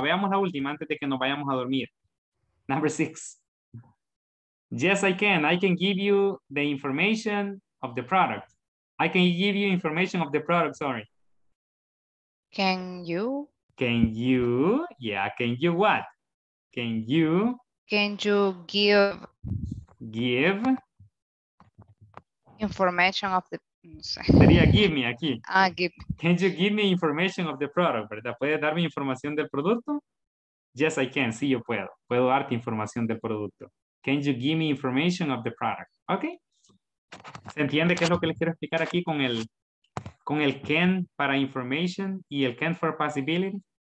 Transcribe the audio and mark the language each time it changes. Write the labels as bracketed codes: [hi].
[es] Veamos la última antes de que nos vayamos a dormir. [en] Number six. Yes, I can. I can give you the information of the product. I can give you information of the product, sorry. Can you? Can you? Yeah, can you what? Can you? Can you give? Give? Information of the... [es] Sería [en] give me [es] aquí. [en] Ah, give. Can you give me information of the product, [es] ¿verdad? ¿Puede darme información del producto? Yes, I can. Sí, yo puedo. Puedo darte información del producto. [en] Can you give me information of the product? Okay. [es] ¿Se entiende qué es lo que les quiero explicar aquí con el can para information y el can [en] for possibility?